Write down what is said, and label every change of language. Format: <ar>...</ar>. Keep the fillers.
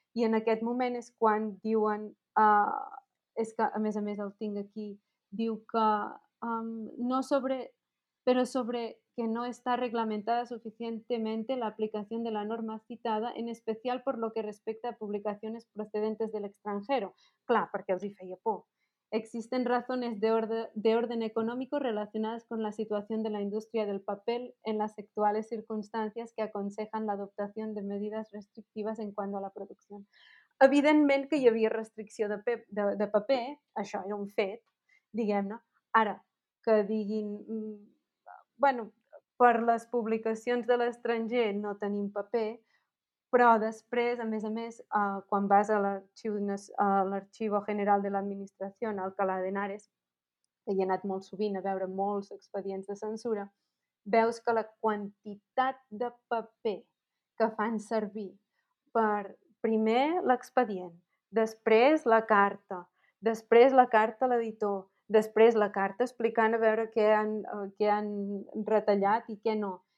<es>I en aquest moment és quan diuen, uh, és que a més a més el tinc aquí, diu que um, no sobre, però sobre que no está reglamentada suficientemente la aplicación de la norma citada, en especial por lo que respecta a publicaciones procedentes del extranjero. Claro, porque os dice por. existen razones de orden, de, orden económico relacionadas con la situación de la industria del papel en las actuales circunstancias que aconsejan la adoptación de medidas restrictivas en cuanto a la producción. Evidentemente que había restricción de, de, de papel, eso era un FED, digamos, ¿no?</es> <ca>Ahora, que digan, bueno, per les publicacions de l'estranger no tenim paper, però després, a més a més, uh, quan vas a l'Arxiu uh, General de l'Administració, a Alcalá de Henares, que hi he anat molt sovint a veure molts expedients de censura, veus que la quantitat de paper que fan servir per, primer, l'expedient, després la carta, després la carta a l'editor, després la carta explicant a veure què han, què han retallat i què no.</ca>